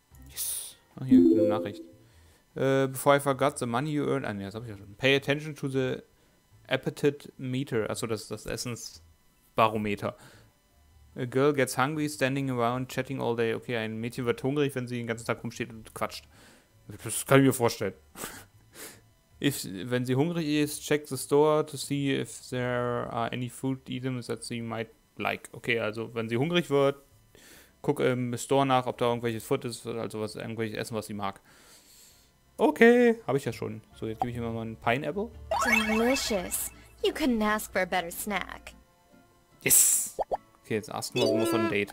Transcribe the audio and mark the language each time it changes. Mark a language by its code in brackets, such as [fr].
[de] Yes. Oh, hier, eine Nachricht. [en] Before I forgot the money you earn. [de] Ah ne, das hab ich ja schon. [en] Pay attention to the appetite meter. [de] Achso, das ist das Essensbarometer. [en] A girl gets hungry standing around chatting all day. [de] Okay, ein Mädchen wird hungrig, wenn sie den ganzen Tag rumsteht und quatscht. Das kann ich mir vorstellen. Wenn sie hungrig ist, [en] check the store to see if there are any food items that she might like. [de] Okay, also wenn sie hungrig wird, guck im Store nach, ob da irgendwelches Food ist, also was, irgendwelches Essen, was sie mag. Okay, habe ich ja schon. So, jetzt gebe ich ihm mal einen Pineapple. [en] Delicious. You couldn't ask for a better snack. Yes. [de] Okay, jetzt asken wir mal von einem Date.